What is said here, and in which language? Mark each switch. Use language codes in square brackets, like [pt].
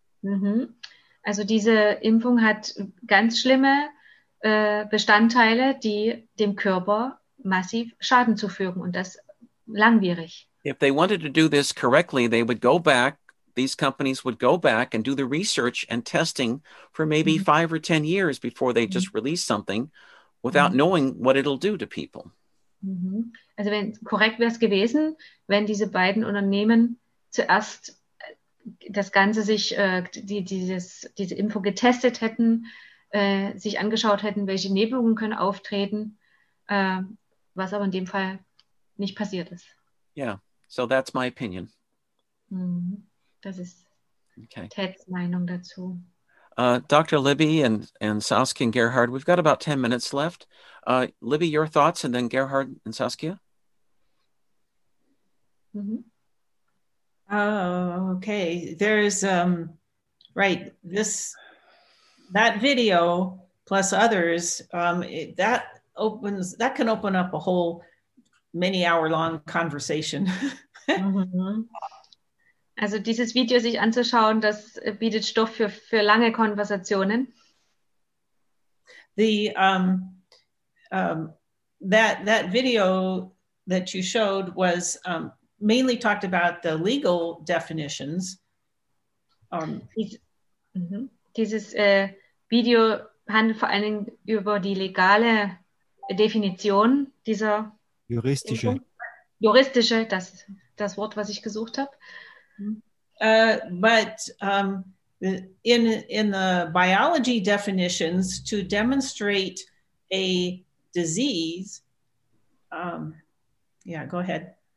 [de] Mm-hmm. Also diese Impfung hat ganz schlimme Bestandteile, die dem Körper massiv Schaden zufügen und das langwierig. [en] If they wanted to do this correctly, they would go back. These companies would go back and do the research and testing for maybe mm-hmm. 5 or 10 years before they just release something without mm-hmm. knowing what it'll do to people. Mm-hmm. [de] Also wenn korrekt wäre es gewesen, wenn diese beiden Unternehmen zuerst das Ganze sich, diese Impfung getestet hätten, sich angeschaut hätten, welche Nebenwirkungen können auftreten, was aber in dem Fall nicht passiert ist. [en] Yeah, so that's my opinion. [de] Das ist okay. Ted's Meinung dazu. [en] Dr. Libby and Saskia and Gerhard, we've got about 10 minutes left. Libby, your thoughts, and then Gerhard and Saskia. Okay. There's right. This that video plus others that opens that can open up a whole many hour long conversation. [de] Also dieses Video sich anzuschauen, das bietet Stoff für lange Konversationen. [en] The that video that you showed was mainly talked about the legal definitions. [de] Dieses Video handelt vor allen Dingen über die legale Definition dieser juristische. Juristische, das Wort, was ich gesucht habe. [en] But in the biology definitions to demonstrate a disease, go ahead.